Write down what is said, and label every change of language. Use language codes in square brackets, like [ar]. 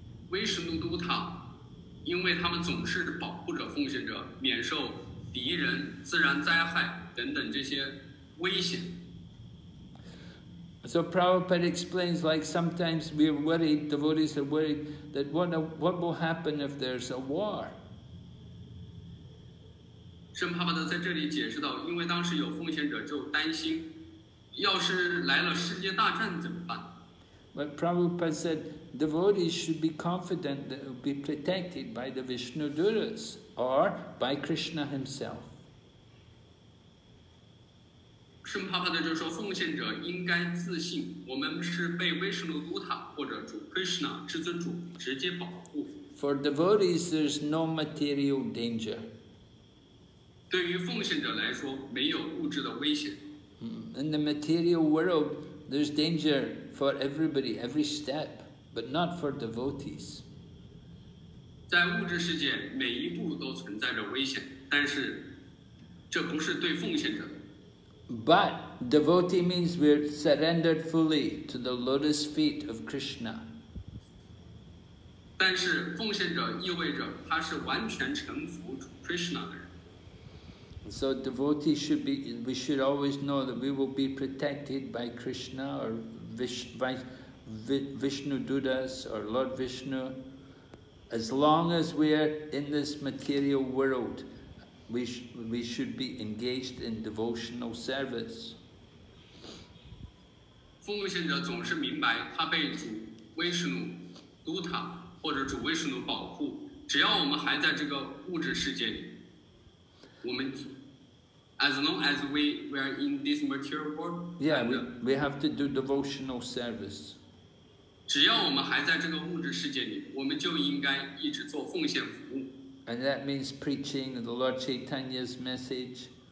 [zh] Vishnu Duta, 因为他们总是保护着奉献者免受敌人、自然灾害等等这些危险。 [en] So Prabhupada explains, like sometimes we are worried, devotees are worried that what will happen if there's a war? [zh] 圣帕帕德在这里解释到，因为当时有奉献者就担心，要是来了世界大战怎么办？ [en] But Prabhupada said, devotees should be confident that will be protected by the Vishnu Dutas or by Krishna himself. [zh] 圣帕帕德就说，奉献者应该自信，我们是被 Vishnu Duta 或者主 Krishna 至尊主直接保护。 [en] For devotees, there's no material danger. [zh] 对于奉献者来说，没有物质的危险。 [en] In the material world, there's danger for everybody, every step, but not for devotees. [zh] 在物质世界，每一步都存在着危险，但是这不是对奉献者。 [en] But devotee means we're surrendered fully to the lotus feet of Krishna. [zh] 但是奉献者意味着他是完全臣服 Krishna 的人。 [en] So devotee should be, we should always know that we will be protected by Krishna or Vishnu Dudas or Lord Vishnu. As long as we are in this material world, we should be engaged in devotional service. [zh] 奉献者总是明白他被主 Vishnu Dutta 或者主 Vishnu 保护，只要我们还在这个物质世界里，我们。 [en] As long as we are in this material world, yeah, we have to do devotional service. [zh] 只要我们还在这个物质世界里，我们就应该一直做奉献服务。 [en] And that means preaching the Lord Chaitanya's message.